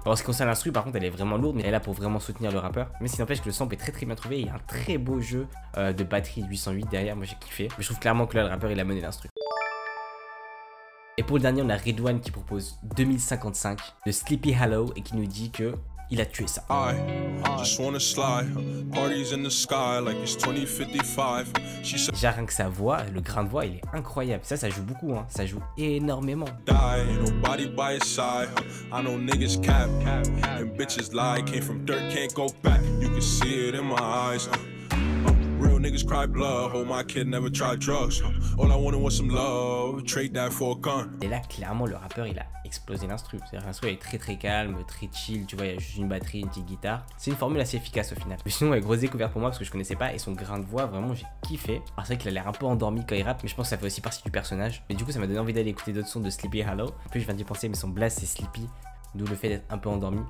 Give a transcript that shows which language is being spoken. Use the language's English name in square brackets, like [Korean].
[French] En ce qui concerne l'instru par contre elle est vraiment lourde, mais elle est là pour vraiment soutenir le rappeur. Mais ce qui n'empêche que le sample est très très bien trouvé. Il y a un très beau jeu de batterie 808 derrière, moi j'ai kiffé. Mais je trouve clairement que là le rappeur il a mené l'instru. Et pour le dernier, on a Redouane qui propose 2055 de Sleepy Hollow et qui nous dit que il a tué ça. [English] I just wanna slide, parties in the sky like it's 2055. She's... [French] Déjà rien que sa voix, le grain de voix, il est incroyable. Ça joue beaucoup, hein. Ça joue énormément. [English] Die, nobody by his side. I know niggas cap, cap, cap, and bitches lie. Came from dirt, can't go back. You can see it in my eyes. Real niggas cry blood, oh my kid never tried drugs. All I wanted was some love, trade that for a gun. [French] Et là clairement le rappeur il a explosé l'instru. C'est-à-dire l'instru est très très calme, très chill, tu vois, il y a juste une batterie, une petite guitare. C'est une formule assez efficace au final. Mais sinon ouais, grosse découverte pour moi parce que je connaissais pas, et son grain de voix vraiment j'ai kiffé. Alors c'est vrai qu'il a l'air un peu endormi quand il rappe, mais je pense que ça fait aussi partie du personnage. Mais du coup ça m'a donné envie d'aller écouter d'autres sons de Sleepy Hollow. En plus je viens d'y penser, mais son blast c'est Sleepy. D'où le fait d'être un peu endormi.